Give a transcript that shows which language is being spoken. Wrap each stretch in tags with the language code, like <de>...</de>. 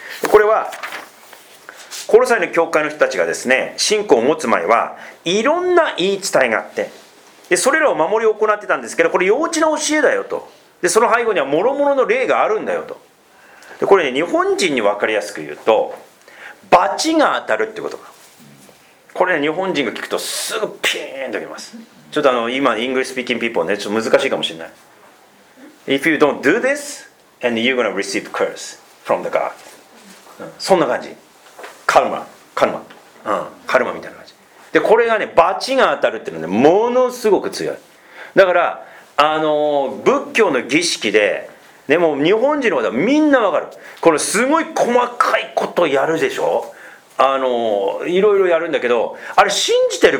<ja>これはコロサイの教会の人たちがですね、信仰を持つ前はいろんな言い伝えがあって、でそれらを守りを行ってたんですけど、これ幼稚な教えだよと。で、その背後には諸々の霊があるんだよと。で、これね、日本人に分かりやすく言うと罰が当たるってことか。これね、日本人が聞くとすぐピーンときます。ちょっと今</ja> <en>イングリッシュスピーキングピーポー</en> <ja>ね、ちょっと難しいかもしれない。</ja> <en>If you don't do this and you're gonna receive curse from the God、</en> <ja>そんな感じ。カルマ、カルマ、カルマみたいな感じで、これがね、罰が当たるっていうのはね、ものすごく強い。だから仏教の儀式で、ね、もう日本人の方はみんなわかる。このすごい細かいことやるでしょ。いろいろやるんだけど、あれ信じてる？</ja>